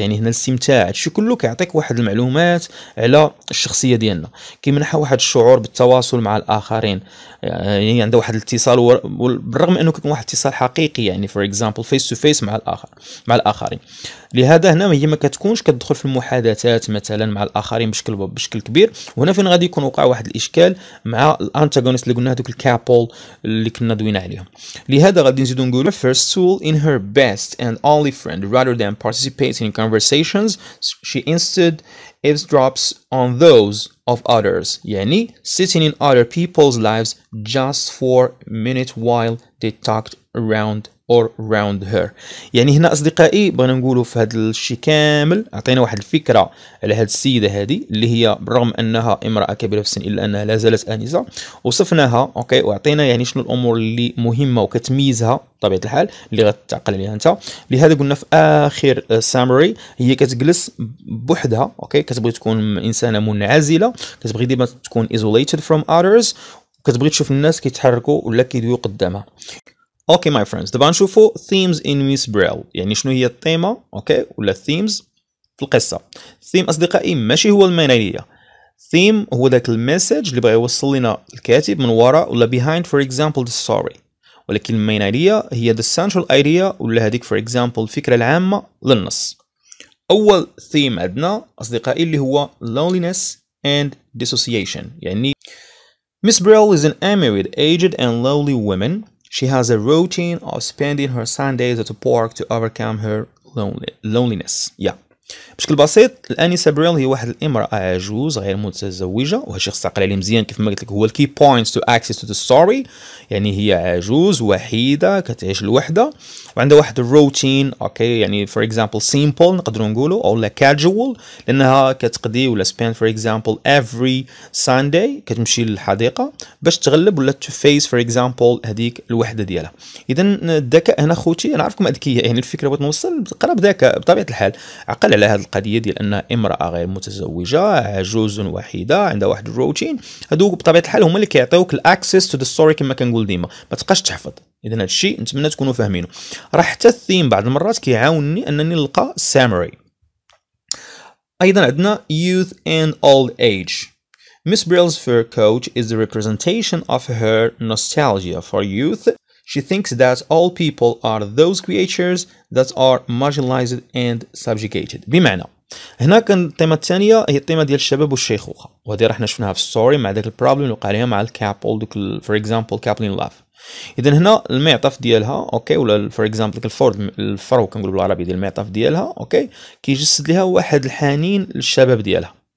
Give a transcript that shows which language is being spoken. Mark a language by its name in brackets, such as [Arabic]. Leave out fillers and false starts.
[Arabic] يعني هنا الاستمتاع شي كله كيعطي واحد المعلومات على الشخصيه ديالنا، كيمنحها واحد الشعور بالتواصل مع الاخرين، يعني عندها واحد الاتصال بالرغم انه كيكون واحد الاتصال حقيقي، يعني [English] for example face to face [Arabic] مع الاخر مع الاخرين. لهذا هنا هي ما كتكونش كتدخل في المحادثات مثلا مع الاخرين بشكل كبير. وهنا فين غادي يكون وقع واحد الاشكال مع الانتاغونيست اللي قلنا، هذوك الكابول اللي كنا دوينا عليهم. [English] لهذا غادي نزيدو نقولوا first told in her best and only friend rather than participating in conversations شي instead eavesdrops on those of others, يعني sitting in other people's lives just for a minute while they talked around or round her. [Arabic] يعني هنا اصدقائي بغينا نقولوا في هذا الشيء كامل اعطينا واحد الفكره على هذه السيده هذه اللي هي برغم انها امراه كبيره في السن الا انها لا زالت انسه، وصفناها. اوكي، واعطينا يعني شنو الامور اللي مهمه وكتميزها طبيعه الحال اللي غتعقل عليها انت. لهذا قلنا في اخر سامري هي كتجلس بوحدها. اوكي، كتبغي تكون انسانه منعزله، كتبغي ديما تكون [English] isolated from others، [Arabic] وكتبغي تشوف الناس كيتحركوا ولا كيدويو قدامها. اوكي ماي فريندز، دابا نشوفوا [English] themes in Miss Brill، [Arabic] يعني شنو هي التيمة. اوكي، ولا themes في القصة. ثيم اصدقائي ماشي هو المينالية، ثيم هو ذاك المسج اللي بغى يوصل لنا الكاتب من وراء ولا [English] behind for example the story، [Arabic] ولكن المينالية هي [English] the central idea [Arabic] ولا هذيك [English] for example [Arabic] الفكرة العامة للنص. اول ثيم عندنا اصدقائي اللي هو [English] loneliness and dissociation. يعني Miss Brill is an army with aged and lonely women. She has a routine of spending her Sundays at the park to overcome her loneliness. Yeah. [Arabic] بشكل بسيط، الأنسة بريل هي واحد الإمرأة عجوز غير متزوجة، وهالشيء خصك تعقل عليه مزيان كيف ما قلت لك، هو [English] الكي points to access to the story. [Arabic] يعني هي عجوز وحيدة كتعيش الوحدة وعندها واحد الروتين. أوكي، يعني [English] for example simple [Arabic] نقدروا نقولوا أو لا كاجوال، لأنها كتقضي ولا [English] spend for example every Sunday [Arabic] كتمشي للحديقة باش تغلب ولا [English] to face for example [Arabic] هذيك الوحدة ديالها. إذا الذكاء هنا خوتي، أنا عارفكم أذكياء، يعني الفكرة بغيت نوصل قرب ذكاء بطبيعة الحال، عقل على هذه القضية ديال أن امرأة غير متزوجة عجوز وحيدة عندها واحد الروتين. هادو بطبيعة الحال هما اللي كيعطيوك [English] الاكسس to the story [Arabic] كما كنقول ديما، ما تبقاش تحفظ. إذا هذا الشيء نتمنى تكونوا فاهمينه. راه حتى الثيم بعض المرات كيعاونني أنني نلقى سامري. أيضا عندنا [English] youth and old age. Miss Brill's fur coat is the representation of her nostalgia for youth. She thinks that all people are those creatures that are marginalized and subjugated. [Arabic] بمعنى هنا كان التيمة الثانية هي التيمة ديال الشباب والشيخوخة، وهذه راح نشوفناها في الستوري مع ذاك البروبليم اللي وقع عليها مع الكابل دوك [English] For example couple in love. [Arabic] إذا هنا المعطف ديالها، أوكي، ولا [English] for example [Arabic] الفرد الفرو كنقولوا بالعربي ديال المعطف ديالها، أوكي، كيجسد لها واحد الحنين للشباب ديالها.